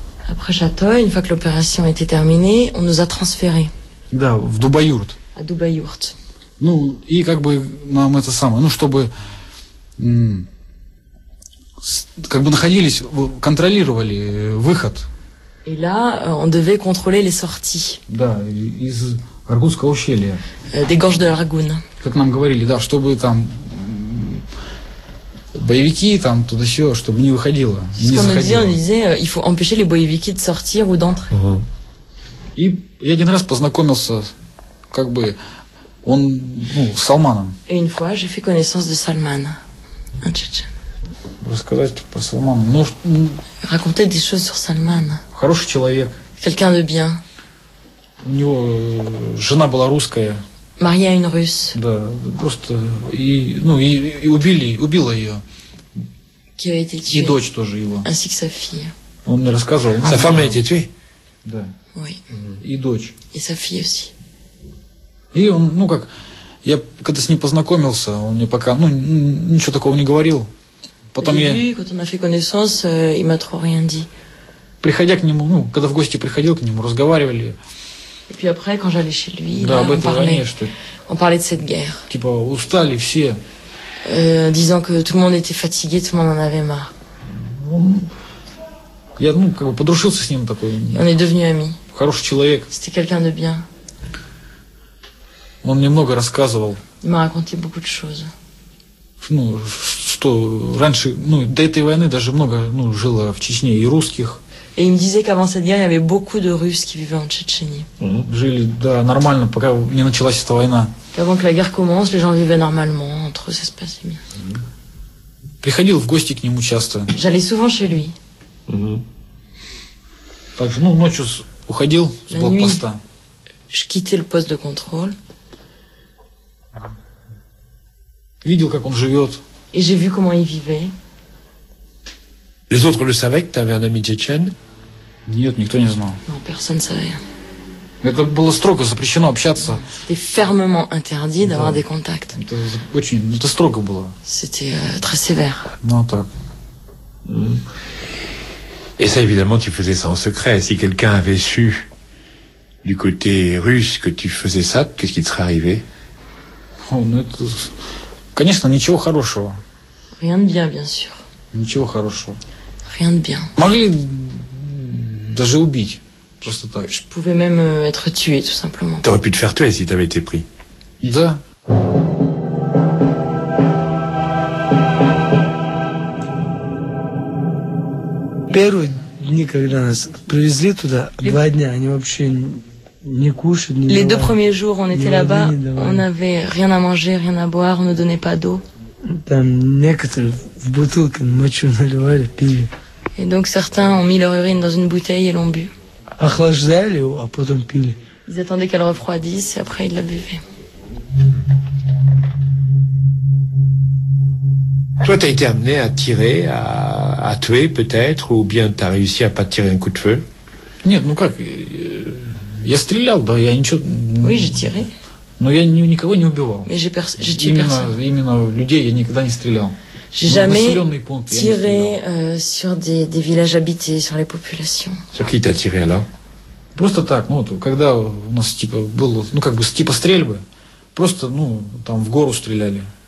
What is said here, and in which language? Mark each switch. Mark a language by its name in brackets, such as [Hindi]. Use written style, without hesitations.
[French] Après Château, une fois que l'opération était terminée, on nous a transférés. [Russian] Да, в Дубаюрт. [French] À Дубаюрт. [Russian] Ну, и как бы нам это самое, ну, чтобы как бы находились, контролировали выход. [French] Et là, on devait contrôler les sorties. [Russian] Да, из Аргунского ущелья. [French] Des gorges de l'Argun. [Russian] Как нам говорили, да, чтобы там боевики там туда все, чтобы не выходило. Он [French] disait, il faut empêcher les [Russian] боевики [French] de sortir ou d'entrer. [Russian] И я один раз познакомился, как бы, он, ну, с Салманом. Et une fois, j'ai fait connaissance de Salman. Рассказать про Салмана. Ну, [French] raconter des choses sur Salman. [Russian] Хороший человек. [French] Quelqu'un de bien. [Russian] У него жена была русская. [French] Marié à une russe. [Russian] Да, просто и убила ее. [French] Qui a été tué. [Russian] И дочь тоже его. [French] Ainsi que sa fille. [Russian] Он мне рассказывал. [French] Sa femme a été tuée. [Russian] Да. [French] Oui. [Russian] И дочь. [French] Et sa fille aussi. [Russian] И он, ну как, я когда с ним познакомился, он мне пока, ну ничего такого не говорил. Потом я. [French] Lui, quand on a fait connaissance, il m'a trop rien dit. [Russian] Приходя к нему, ну когда в гости приходил к нему, разговаривали. [French] Et puis après, quand j'allais chez lui, [Russian] да, [French] là, on parlait de cette guerre. [Russian] Типа, устали все. [French] Disant que tout le monde était fatigué, tout le monde en avait marre. [Russian] Ну, как бы подружился с ним такой. [French] On est devenu ami. [Russian] Хороший человек. [French] C'était quelqu'un de bien. [Russian] Он мне много рассказывал. [French] Il m'a raconté beaucoup de choses. [Russian] Ну, что раньше, ну, до этой войны даже много, ну, жило в Чечне и русских. [French] Et il me disait qu'avant cette guerre, il y avait beaucoup de Russes qui vivaient en Tchétchénie. [Russian] Жили, да, нормально, пока не началась эта война. [French] Avant que la guerre commence, les gens vivaient normalement, entre eux, ça se passait bien. [Russian] Приходил в гости к нему часто. [French] J'allais souvent chez lui. [Russian] Так же, ну, ночью уходил с блокпоста. [French] Je quittais le poste de contrôle. [Russian] Видел, как он живет. [French] Et j'ai vu comment il vivait. Les autres le savaient que tu avais un ami tchétchène? [Russian] Нет, никто не знал. [French] Non, personne ne savait. [Russian] Это было строго запрещено общаться. [French] C'était fermement interdit d'avoir des contacts. [Russian] Это строго было. [French] C'était très sévère. Non, [Russian] так. [French] Et ça, évidemment, tu faisais ça en secret. Si quelqu'un avait su du côté russe que tu faisais ça, qu'est-ce qui te serait arrivé? [Russian] Oh, ну это... Конечно, ничего хорошего. [French] Rien de bien, bien sûr. [Russian] Ничего хорошего. [French] Rien de bien. [Russian] Могли даже убить. Просто так. [French] Je pouvais même être tué, tout simplement. T'aurais pu te faire tuer si t'avais été pris. [Russian] Да. Первые дни, когда нас привезли туда, два дня, они вообще не кушают, не давали. [French] Les deux premiers jours, on était là-bas, on n'avait rien à manger, rien à boire, on ne donnait pas d'eau. [Russian] Там некоторые в бутылке мочу наливали, пили. [French] Et donc certains ont mis leur urine dans une bouteille et l'ont bu. [Russian] Охлаждали, а потом пили. [French] Ils attendaient qu'elle refroidisse et après ils la buvaient. Toi, t'as été amené à tirer, à tuer peut-être, ou bien t'as réussi à pas tirer un coup de feu? [Russian] Нет, ну как, я стрелял, да, я ничего... [French] Oui, j'ai tiré. [Russian] Но я никого не убивал. [French] Mais j'ai tué personne. [Russian] Именно людей я никогда не стрелял. [French] J'ai jamais tiré sur des villages habités, sur les populations. Sur qui t'as tiré là? [Russian] Просто так, ну, когда у нас типа было, ну как бы типа стрельбы, просто, ну, там в гору стреляли.